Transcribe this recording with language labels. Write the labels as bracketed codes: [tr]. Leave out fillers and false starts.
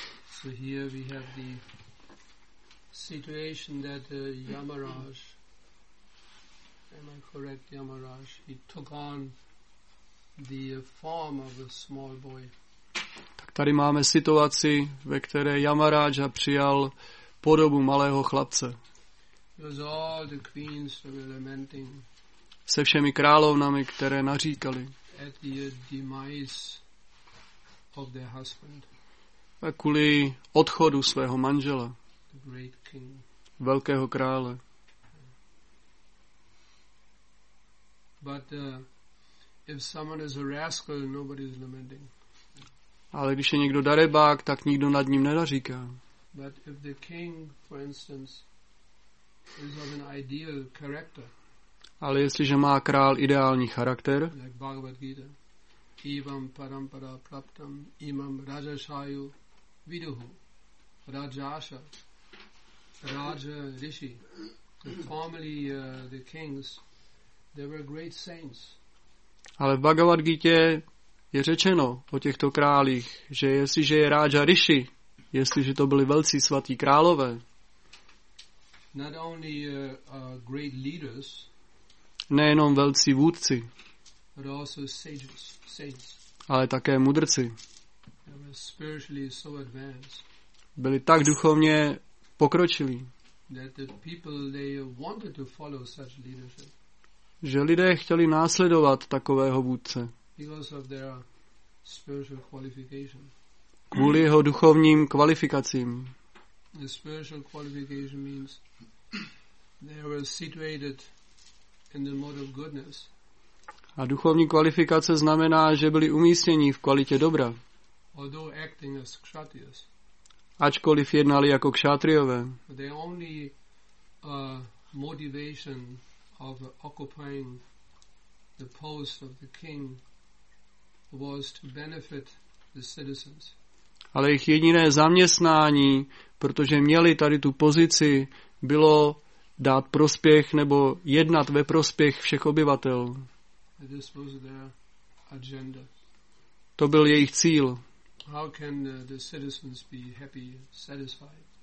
[en] So here we have the situation that Yamaraj, am I correct, Yamaraj, he took on the form of a small boy. [cs] Tak tady máme situaci, ve které Yamaraja přijal podobu malého chlapce. [en] It was all the queens that were lamenting. [cs] Se všemi královnami, které naříkali. [en] At the demise of their husband. [cs] A kvůli odchodu svého manžela. [en] The great king. [cs] Velkého krále. [en] But if someone is a rascal, nobody is lamenting. [cs] Ale když je někdo darebák, tak nikdo nad ním nenaříká. [en] But if the king, for instance, is of an ideal character. [cs] Ale jestliže má král ideální charakter. [en] Like Bhagavad Gita. [sa] Evam parampara praptam imam rajashayu viduhu rajasha. [en] Raja, Rishi, formerly the kings, they were great saints. [cs] Ale v Bhagavad Gita je řečeno o těchto králích, že jestliže je Raja Rishi, jestliže to byli velcí svatí králové, [en] not only great leaders, [cs] nejenom velcí vůdci, [en] but also sages, saints, [cs] ale také mudrci, [en] they were spiritually so advanced, [cs] byli tak duchovně pokročili, [en] that the people, they wanted to follow such leadership. [cs] Že lidé chtěli následovat takového vůdce. [en] Because of their spiritual qualification. [cs] Kvůli jeho duchovním kvalifikacím. [en] The spiritual qualification means they were situated in the mode of goodness. [cs] A duchovní kvalifikace znamená, že byli umístěni v kvalitě dobra. [en] although acting as kshatriyas. [cs] Ačkoliv jednali jako kšatriové. [en] The only motivation of occupying the post of the king was to benefit the citizens. [cs] Ale jejich jediné zaměstnání, protože měli tady tu pozici, bylo dát prospěch nebo jednat ve prospěch všech obyvatel. [en] This was their agenda. [cs] To byl jejich cíl. [en] How can the citizens be happy, satisfied?